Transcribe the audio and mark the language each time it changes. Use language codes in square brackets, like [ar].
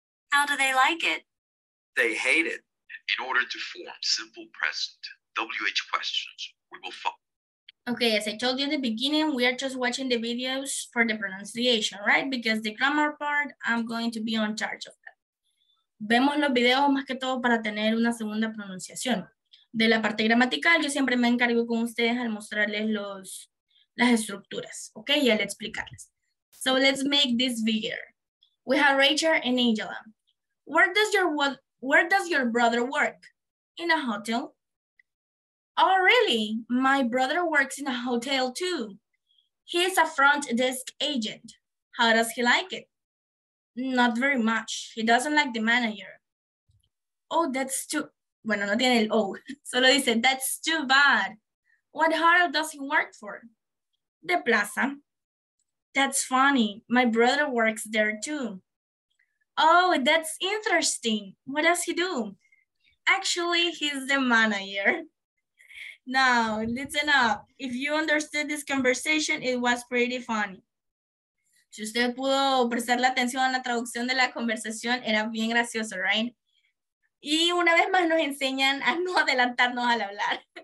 [en] How do they like it? They hate it. In order to form simple present WH questions, we will follow. Okay, as I told you in the beginning, we are just watching the videos for the pronunciation, right? Because the grammar part, I'm going to be on charge of. [es] Vemos los videos más que todo para tener una segunda pronunciación. De la parte gramatical, yo siempre me encargo con ustedes al mostrarles los, las estructuras, ¿ok? Y al explicarles. [en] So let's make this bigger. We have Rachel and Angela. Where does your brother work? In a hotel. Oh, really? My brother works in a hotel too. He is a front desk agent. How does he like it? Not very much. He doesn't like the manager. Oh, that's too... [es] Bueno, no tiene el oh. Solo dice, [en] that's too bad. What hotel does he work for? The Plaza. That's funny. My brother works there too. Oh, that's interesting. What does he do? Actually, he's the manager. Now, listen up. If you understood this conversation, it was pretty funny. [es] Si usted pudo prestarle atención a la traducción de la conversación, era bien gracioso, right? Y una vez más nos enseñan a no adelantarnos al hablar.